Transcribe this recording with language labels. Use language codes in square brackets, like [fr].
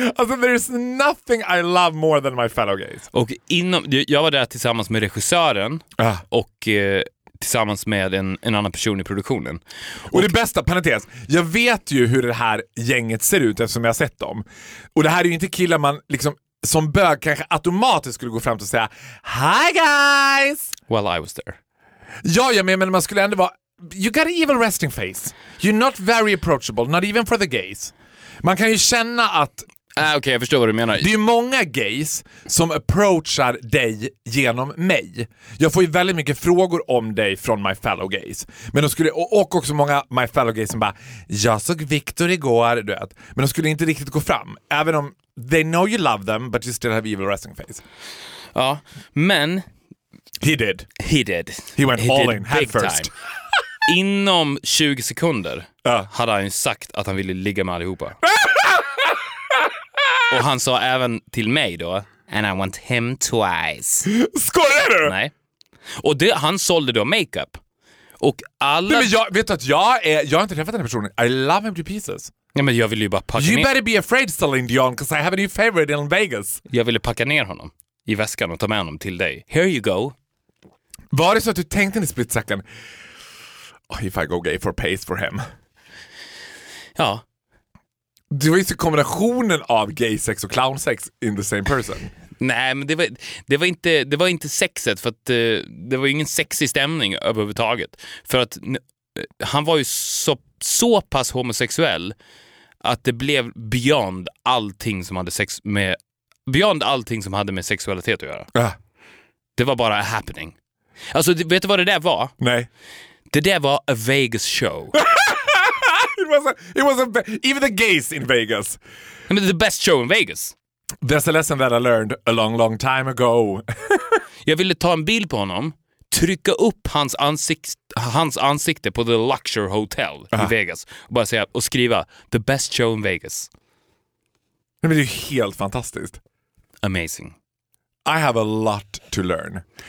[en] Alltså, there is nothing I love more than my fellow gays. [sv] Och inom, jag var där tillsammans med regissören och tillsammans med en annan person i produktionen. Och det bästa, parentes, jag vet ju hur det här gänget ser ut eftersom jag har sett dem. Och det här är ju inte killar man liksom som bög kanske automatiskt skulle gå fram till och säga [en] hi guys! Well, I was there. [sv] Ja, men man skulle ändå vara... [en] You got an evil resting face. You're not very approachable, not even for the gays. [sv] Man kan ju känna att... Okej, jag förstår vad du menar. Det är många gays som approachar dig genom mig. Jag får ju väldigt mycket frågor om dig från [en] my fellow gays. [sv] Men de skulle, och också många my fellow gays som bara... Jag såg Victor igår, du vet. Men de skulle inte riktigt gå fram. Även om [en] they know you love them, but you still have evil resting face. [sv] Ja, men... [en] He did. He went all in, head first. [sv] Inom 20 sekunder hade han ju sagt att han ville ligga med allihopa. Och han sa även till mig då, [en] and I want him twice. [sv] Skojar du? Nej. Och det, han sålde då makeup. Och alla... Nej, men jag vet att jag har inte träffat den här personen. [en] I love him to pieces. [sv] Nej, men jag ville ju bara packa [en] you [sv] ner. [en] You better be afraid, Celine Dion, because I have a new favorite in Vegas. [sv] Jag ville packa ner honom i väskan och ta med honom till dig. [en] Here you go. [sv] Var det så att du tänkte i [en] split second, oh, if I go gay for pace for him? [sv] Ja. Det var ju så kombinationen av gay sex och clown sex [en] in the same person. [sv] Nej, men det var inte sexet, för att det var ju ingen sexig stämning överhuvudtaget. För att han var ju så pass homosexuell att det blev beyond allting som hade sex med... Beyond allting som hade med sexualitet att göra. Det var bara [en] a happening. [sv] Alltså, vet du vad det där var? Nej. Det där var [en] a Vegas show. it was even the gays in Vegas. I mean, the best show in Vegas. There's a lesson that I learned a long, long time ago. [sv] Jag ville ta en bild på honom, trycka upp hans ansikte på The Luxury Hotel i Vegas. Och bara säga, och skriva, [en] the best show in Vegas. [sv] Men det är ju helt fantastiskt. [en] Amazing. I have a lot to learn.